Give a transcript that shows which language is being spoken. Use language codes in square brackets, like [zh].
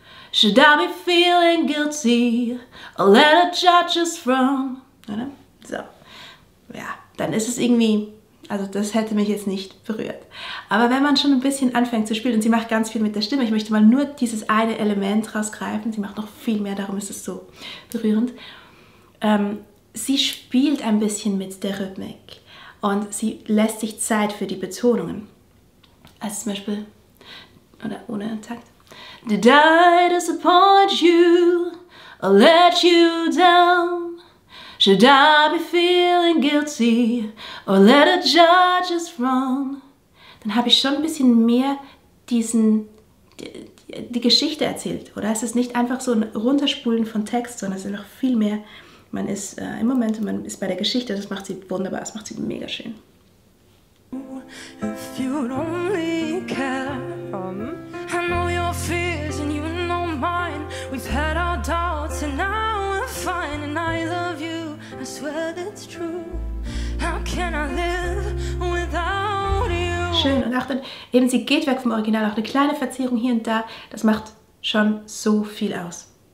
[en] Should I be feeling guilty? I let it judge us from? [de] Oder? So. Ja, dann ist es irgendwie... Also das hätte mich jetzt nicht berührt. Aber wenn man schon ein bisschen anfängt zu spielen und sie macht ganz viel mit der Stimme, ich möchte mal nur dieses eine Element rausgreifen, sie macht noch viel mehr, darum ist es so berührend. Sie spielt ein bisschen mit der Rhythmik und sie lässt sich Zeit für die Betonungen. Also zum Beispiel, oder ohne Takt. [en] Did I disappoint you or let you down? Should I be feeling guilty or let it judge us wrong? [de] Dann habe ich schon ein bisschen mehr die Geschichte erzählt, oder? Es ist nicht einfach so ein Runterspulen von Text, sondern es ist noch viel mehr. Man ist im Moment, man ist bei der Geschichte, das macht sie wunderbar, das macht sie mega schön. [en] If you'd only care, I know your fears and you know mine. We've had our doubts and now we're fine and I love you. I swear that's true. How can I live without you? [de] Schön, und auch dann, eben sie geht weg vom Original, auch eine kleine Verzierung hier und da, das macht schon so viel aus.